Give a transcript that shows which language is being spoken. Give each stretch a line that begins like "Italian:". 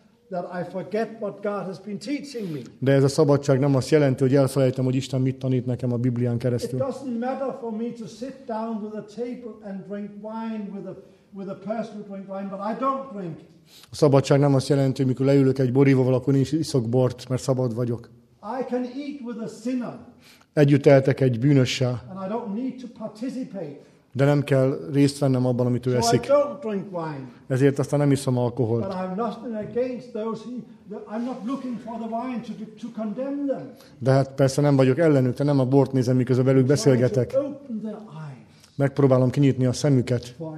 English: That I forget what God has been teaching me.
Hungarian: De ez a szabadság nem azt jelenti, hogy elfelejtem, hogy Isten mit tanít nekem a Biblián keresztül.
English: It doesn't matter for me to sit down with a table and drink wine with a person who drink wine, but I don't drink.
Hungarian: A szabadság nem azt jelenti, hogy mikor leülök egy borívóval, akkor én is iszok bort, mert szabad vagyok.
English: I can eat with a sinner.
Hungarian: Együtt ehetek egy bűnössel.
English: And I don't need to participate.
Hungarian: De nem kell részt vennem abban, amit ő eszik.
English: So I don't drink wine.
Hungarian: Ezért aztán nem iszom alkoholt.
English: But I'm nothing against those I'm not looking for the wine to condemn them.
Hungarian: De hát persze nem vagyok ellenük, de nem a bort nézem, miközben velük beszélgetek. Megpróbálom kinyitni a szemüket.